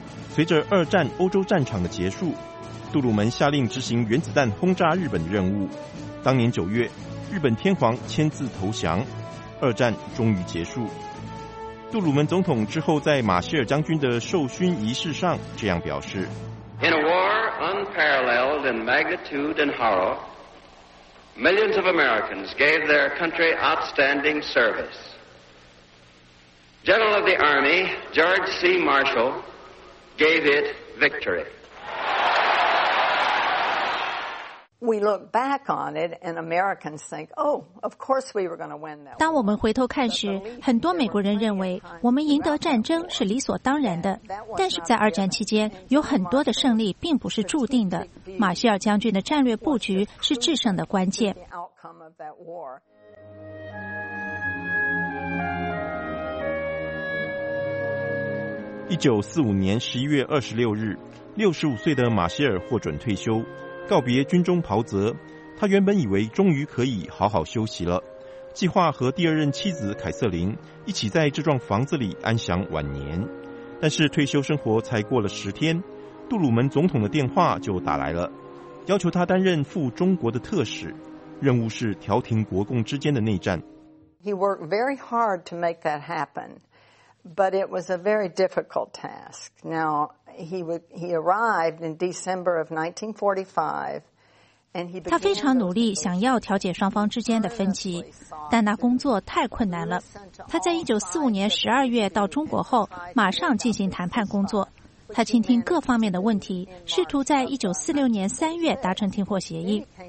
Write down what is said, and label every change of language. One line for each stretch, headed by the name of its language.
Chinese: 随着二战欧洲战场的结束，杜鲁门下令执行原子弹轰炸日本的任务。当年九月，日本天皇签字投降，二战终于结束。杜鲁门总统之后在马歇尔将军的授勋仪式上这样表示
English: In a war unparalleled in magnitude and horror, millions of Americans gave their country outstanding service. General of the Army George C. Marshall gave it victory. We look back on it, and Americans think, "Oh, of course we were going to win that."
Chinese: 当我们回头看时，很多美国人认为我们赢得战争是理所当然的。但是在二战期间，有很多的胜利并不是注定的。马歇尔将军的战略布局是制胜的关键。 1945年11月26日，65岁的马歇尔获准退休。告别军中袍泽，他原本以为终于可以好好休息了，计划和第二任妻子凯瑟琳一起在这幢房子里安享晚年。但是退休生活才过了10天，杜鲁门总统的电话就打来了，要求他担任赴中国的特使，任务是调停国共之间的内战。
English: He worked very hard to make that happen, but it was a very difficult task. Now,He arrived in December of 1945, and he began.
Chinese: 他非常努力，想要调解双方之间的分歧，但那工作太困难了。他在1945年12月到中国后，马上进行谈判工作。他倾听各方面的问题，试图在1946年3月达成停火协议。